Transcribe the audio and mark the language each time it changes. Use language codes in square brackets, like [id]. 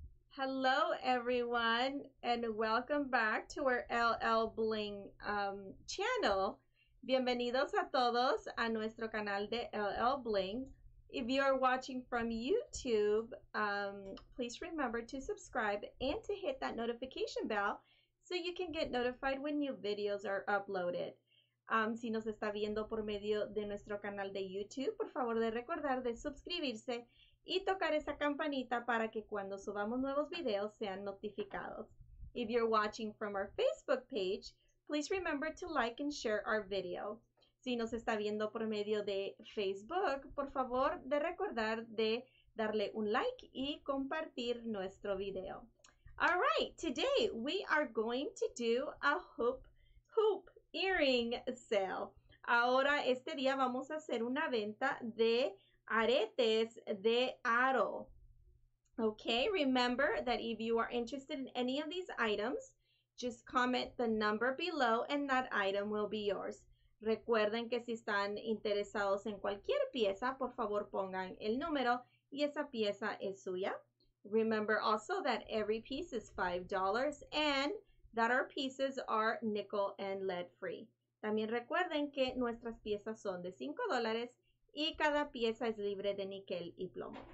[en] Hello, everyone, and welcome back to our LLbling channel. [es] Bienvenidos a todos a nuestro canal de LLbling. [en] If you are watching from YouTube, please remember to subscribe and to hit that notification bell so you can get notified when new videos are uploaded. [es] Si nos está viendo por medio de nuestro canal de YouTube, por favor de recordar de suscribirse y tocar esa campanita para que cuando subamos nuevos videos sean notificados. [en] If you're watching from our Facebook page, please remember to like and share our video. [es] Si nos está viendo por medio de Facebook, por favor de recordar de darle un like y compartir nuestro video. [en] All right, today we are going to do a hoop earring sale. [es] Ahora este día vamos a hacer una venta de aretes de aro. [en] Okay, remember that if you are interested in any of these items, just comment the number below and that item will be yours. [es] Recuerden que si están interesados en cualquier pieza, por favor pongan el número y esa pieza es suya. [en] Remember also that every piece is $5 and that our pieces are nickel and lead free. [es] También recuerden que nuestras piezas son de $5. Y cada pieza es libre de níquel y plomo.